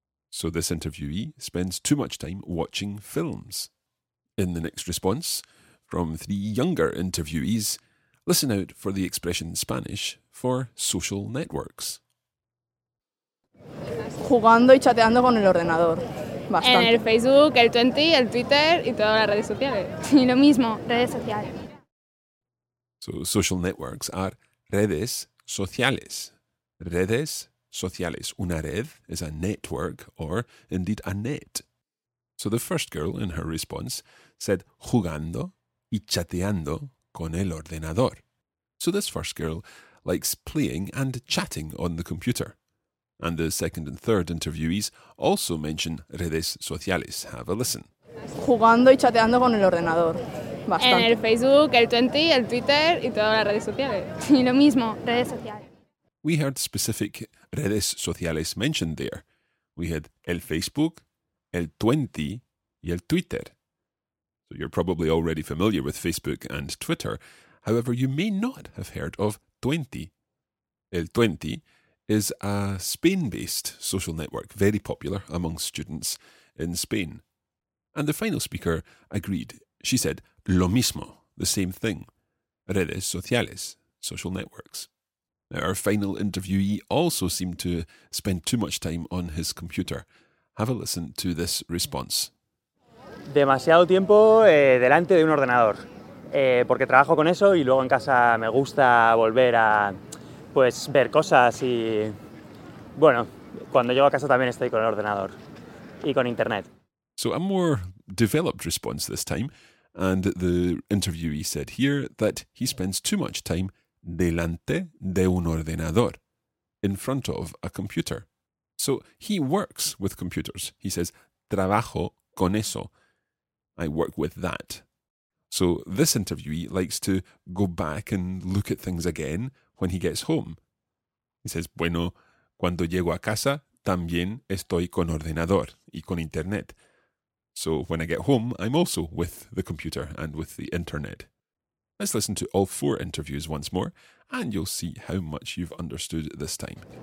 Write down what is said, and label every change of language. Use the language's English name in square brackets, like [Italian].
[English] So this interviewee spends too much time watching films. In the next response, from three younger interviewees, listen out for the expression in Spanish for social networks. [Spanish] Jugando y chateando con el ordenador. Bastante. En el Facebook, el 20, el Twitter y todas las redes sociales. Y lo mismo, redes sociales. [English] So social networks are redes sociales. [Spanish] Redes sociales. Una red [English] is a network or indeed a net. So the first girl in her response said [Spanish] jugando y chateando con el ordenador. [English] So this first girl likes playing and chatting on the computer. And the second and third interviewees also mention redes sociales. Have a listen. [Spanish] Jugando y chateando con el ordenador. Bastante. En el Facebook, el 20, el Twitter y todas las redes sociales. Y lo mismo, redes sociales. [English] We heard specific redes sociales mentioned there. We had [Spanish] el Facebook, el 20 y el Twitter. [English] So you're probably already familiar with Facebook and Twitter. However, you may not have heard of 20. El 20 is a Spain-based social network, very popular among students in Spain. And the final speaker agreed. She said, [Spanish] lo mismo, [English] the same thing. [Spanish] Redes sociales, [English] social networks. Now, our final interviewee also seemed to spend too much time on his computer. Have a listen to this response. [Spanish] Demasiado tiempo delante de un ordenador. Porque trabajo con eso y luego en casa me gusta volver a pues ver cosas y, bueno, cuando llego a casa también estoy con el ordenador y con internet. [English] So a more developed response this time, and the interviewee said here that he spends too much time [Spanish] delante de un ordenador, [English] in front of a computer. So he works with computers. He says, [Spanish] trabajo con eso. [English] I work with that. So this interviewee likes to go back and look at things again when he gets home. He says, [Spanish] bueno, cuando llego a casa, también estoy con ordenador y con internet. [English] So when I get home, I'm also with the computer and with the internet. Let's listen to all four interviews once more, and you'll see how much you've understood this time.